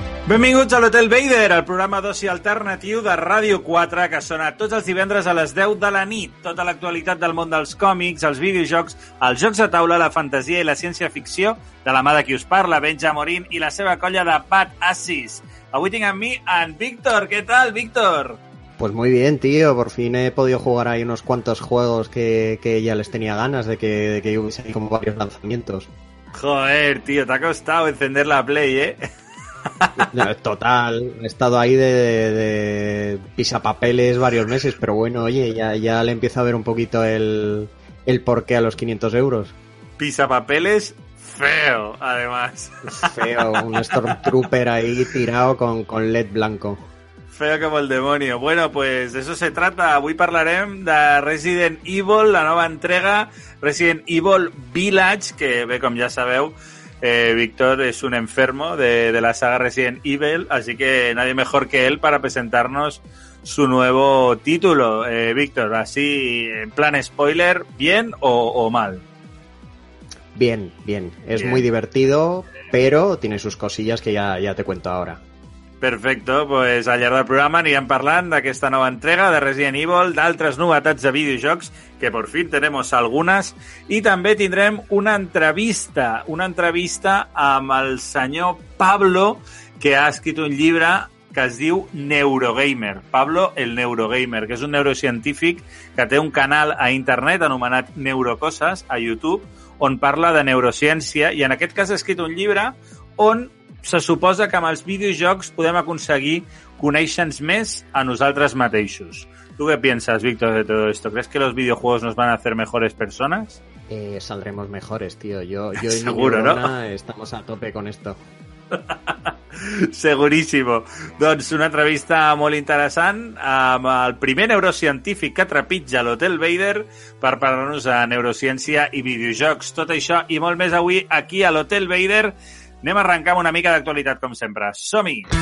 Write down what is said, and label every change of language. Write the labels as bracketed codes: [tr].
[ca] Benvinguts a l'Hotel Vader, el programa d'oci alternatiu de Ràdio 4 que sona tots els divendres a les 10 de la nit. Tota l'actualitat del món dels còmics, els videojocs, els jocs de taula, la fantasia i la ciència-ficció de la mà de qui us parla, Benja Morín i la seva colla de Badassis. Avui tinc amb mi en Víctor. Què tal, Víctor? [es] Pues muy bien, tío. Por fin he podido jugar ahí unos cuantos juegos que ya les tenía ganas de que hubiese ahí como varios lanzamientos. Joder, tío, te ha costado encender la Play, ¿eh? No, total, he estado ahí de pisapapeles varios meses, pero bueno, oye, ya le empiezo a ver un poquito el porqué a los 500 euros. Pisapapeles feo, además. Feo, un Stormtrooper ahí tirado con LED blanco. Feo como el demonio. Bueno, pues de eso se trata. [ca] Avui parlarem de Resident Evil, la nova entrega, Resident Evil Village, que bé, com ja sabeu, Víctor [es] es un enfermo de la saga Resident Evil, así que nadie mejor que él para presentarnos su nuevo título. Víctor, así en plan spoiler, ¿bien o mal? Bien, bien. Es muy divertido, pero tiene sus cosillas que ya te cuento ahora. [ca] Perfecto, pues al llarg del programa anirem parlant d'aquesta nova entrega de Resident Evil, d'altres novetats de videojocs, que [es] por fin tenemos [ca] algunes, i també tindrem una entrevista amb el senyor Pablo, que ha escrit un llibre que es diu Neurogamer, Pablo el Neurogamer, que és un neurocientífic que té un canal a internet anomenat Neurocoses a YouTube, on parla de neurociència, i en aquest cas ha escrit un llibre on se suposa que amb els videojocs podem aconseguir conèixer-nos més a nosaltres mateixos. [es] ¿Tú qué piensas, Víctor, de todo esto? ¿Crees que los videojuegos nos van a hacer mejores personas? Saldremos mejores, tío. Yo y seguro, mi neurona, ¿no? Estamos a tope con esto. [ca] Seguríssimo. Doncs una entrevista molt interessant amb el primer neurocientífic que trepitja l'Hotel Vader per parlar-nos de neurociència i videojocs. Tot això i molt més avui aquí a l'Hotel Vader. Anem a arrencar una mica d'actualitat, com sempre. Som-hi!